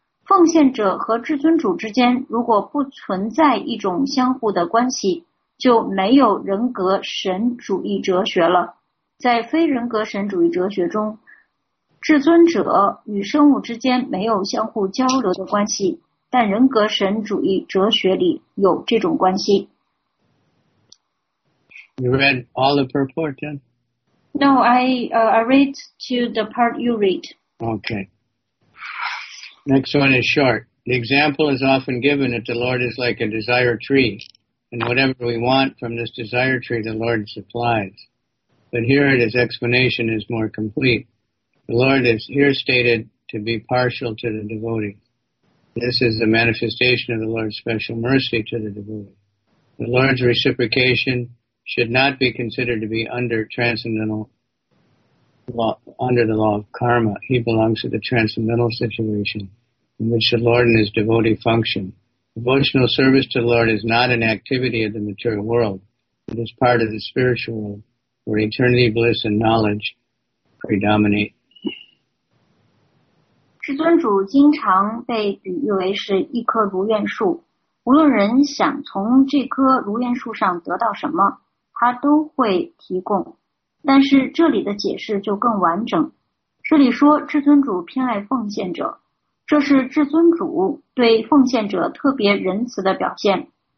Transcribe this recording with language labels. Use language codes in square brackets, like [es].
[zh] 奉献者和至尊主之间如果不存在一种相互的关系，就没有人格神主义哲学了。在非人格神主义哲学中，至尊者与生物之间没有相互交流的关系，但人格神主义哲学里有这种关系。 [en] You read all the purport, then? No, I read to the part you read. Okay. Next one is short. The example is often given that the Lord is like a desire tree, and whatever we want from this desire tree, the Lord supplies. But here his explanation is more complete. The Lord is here stated to be partial to the devotee. This is the manifestation of the Lord's special mercy to the devotee. The Lord's reciprocation should not be considered to be under transcendental law, under the law of karma. He belongs to the transcendental situation in which the Lord and his devotee function. Devotional service to the Lord is not an activity of the material world. It is part of the spiritual world where eternity, bliss, and knowledge predominate. [zh] 至尊主经常被比喻为是一棵如愿树，无论人想从这棵如愿树上得到什么，他都会提供。但是这里的解释就更完整，这里说至尊主偏爱奉献者，这是至尊主对奉献者特别仁慈的表现。